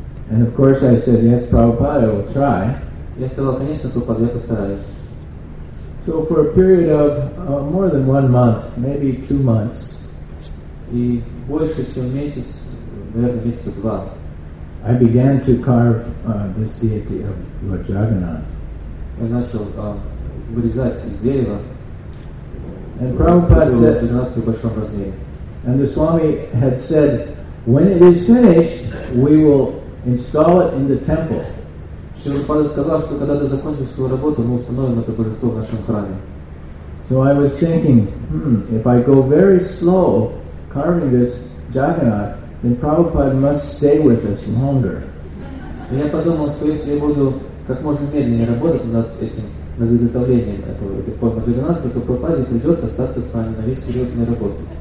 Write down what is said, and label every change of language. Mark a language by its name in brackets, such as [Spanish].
[English] and of course I said, yes, Prabhupada, I will try. [Russian] Я сказал, конечно, Прабхупада, я постараюсь. [English] So for a period of more than 1 month, maybe 2 months, [Russian] и больше, чем месяц, наверное, месяца два, [English] I began to carve this deity of Lord Jagannath. [Russian] Я начал вырезать из дерева. [English] And Prabhupada said, and the Swami had said, when it is finished, we will install it in the temple. [Russian] Шрила сказал, что когда ты закончишь свою работу, мы установим это божество в нашем храме. [English] So I was thinking, if I go very slow carving this Jagannath, then Prabhupada must stay with us longer. [Russian] Я подумал, что если я буду как можно медленнее работать над этим, над изготовлением этой формы Джагнатха, то Прабхупаде придется остаться с вами на весь период моей работы.